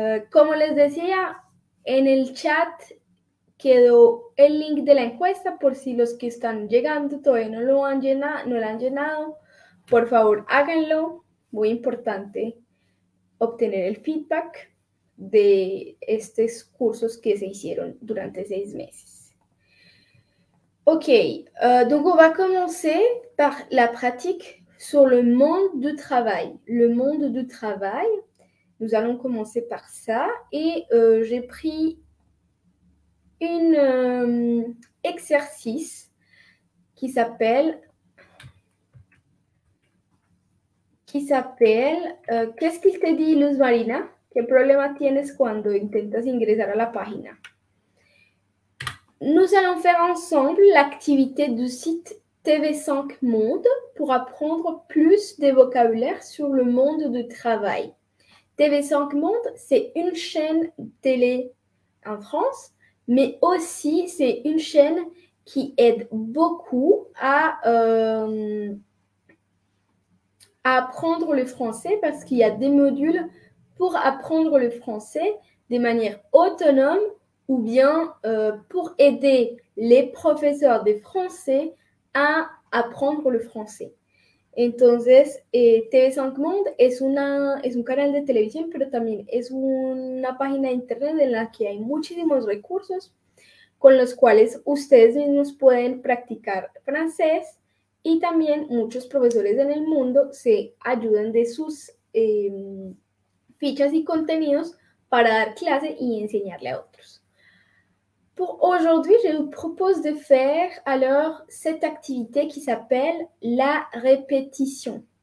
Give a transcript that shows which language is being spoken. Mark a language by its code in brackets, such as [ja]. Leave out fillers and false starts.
[es] Como les decía, en el chat quedó el link de la encuesta por si los que están llegando todavía no lo han llenado, no la han llenado. Por favor, háganlo. Muy importante obtener el feedback de estos cursos que se hicieron durante 6 meses. [fr] Ok, donc on va commencer par la pratique sur le monde du travail. Le monde du travail, nous allons commencer par ça. Et j'ai pris un exercice qui s'appelle Qu'est-ce qu'il te dit, Luz Marina? Quel problème [es] tienes cuando intentas ingresar a la página? [fr] Nous allons faire ensemble l'activité du site TV5 Monde pour apprendre plus de vocabulaire sur le monde du travail. TV5 Monde, c'est une chaîne télé en France, mais aussi c'est une chaîne qui aide beaucoup à apprendre le français parce qu'il y a des modules pour apprendre le français de manière autonome, ou bien pour aider les professeurs de français à apprendre le français. [es] Entonces, TV5 Monde es un canal de televisión, pero también es una página de internet en la que hay muchísimos recursos con los cuales ustedes mismos pueden practicar francés y también muchos profesores en el mundo se ayudan de sus fichas y contenidos para dar clase y enseñarle a otros. [fr] Pour aujourd'hui, je vous propose de faire alors cette activité qui s'appelle la répétition.